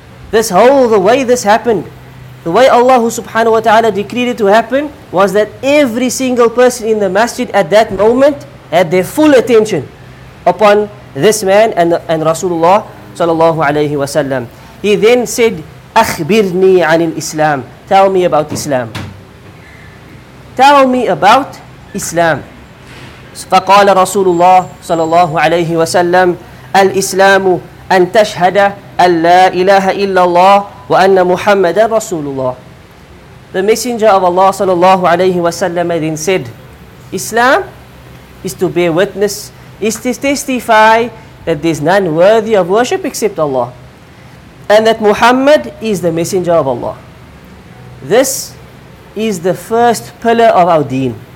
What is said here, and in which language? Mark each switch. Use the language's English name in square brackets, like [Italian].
[English] The way this happened, the way Allah subhanahu wa ta'ala decreed it to happen, was that every single person in the masjid at that moment had their full attention upon this man and Rasulullah sallallahu alayhi wa sallam. He then said, [Arabic] أخبرني عن الإسلام. [English] Tell me about Islam. Tell me about Islam. [Arabic] فقال رسول الله صلى الله عليه وسلم الإسلام أن تشهد أن لا إله إلا الله وأن محمدا رسول الله. [English] The Messenger of Allah sallallahu alayhi wa sallam then said, Islam is to bear witness, is to testify that there's none worthy of worship except Allah, and that Muhammad is the Messenger of Allah. This is the first pillar of our deen.